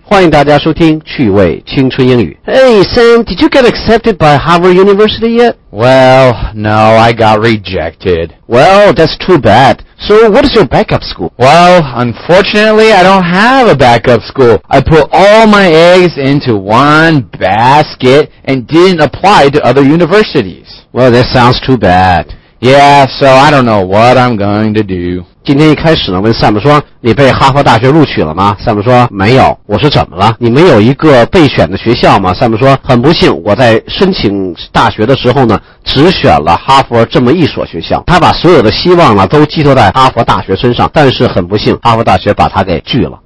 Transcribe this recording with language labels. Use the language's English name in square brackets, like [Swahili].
[Chinese] 欢迎大家收听趣味青春英语。 [English] Hey, Sam, did you get accepted by Harvard University yet? Well, no, I got rejected. Well, that's too bad. So, what is your backup school? Well, unfortunately, I don't have a backup school. I put all my eggs into one basket and didn't apply to other universities. Well, that sounds too bad. Yeah, so I don't know what I'm going to do. [Chinese] 今天一开始呢，问 Sam 说，你被哈佛大学录取了吗？ Sam 说，没有。我说，怎么了？你没有一个备选的学校吗？Sam 说，很不幸，我在申请大学的时候呢，只选了哈佛这么一所学校。他把所有的希望呢，都寄托在哈佛大学身上，但是很不幸，哈佛大学把他给拒了。